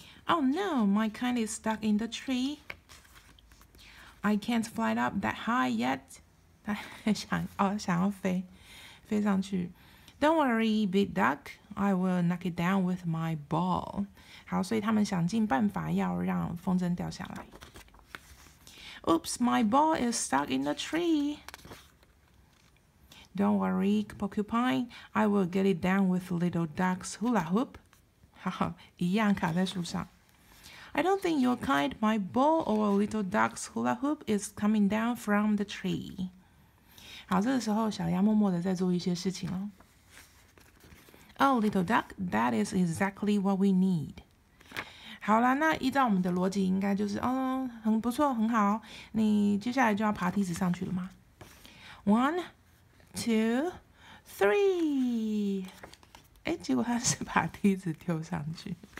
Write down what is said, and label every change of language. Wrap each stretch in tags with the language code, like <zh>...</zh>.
<en>Oh no, my kite is stuck in the treeI can't fly up that high yet.</en> <zh>他想要飞上去。</zh> <en>Don't worry, big duck. I will knock it down with my ball.</en> <zh>好，所以他们想尽办法要让风筝掉下来。</zh> <en>Oops, my ball is stuck in the tree. Don't worry, porcupine. I will get it down with little duck's hula hoop.</en> <zh>好，一样卡在树上。</zh> <en>I don't think your kite, my ball, or little duck's hula hoop is coming down from the tree.</en> <zh>好，这个时候小鸭默默地在做一些事情了。</zh> <en>Oh, little duck, that is exactly what we need.</en> <zh>好啦，那依照我们的逻辑应该就是，很不错，很好，你接下来就要爬梯子上去了吗？</zh> <en>One, two, three.</en> <zh>结果他是把梯子丢上去。</zh>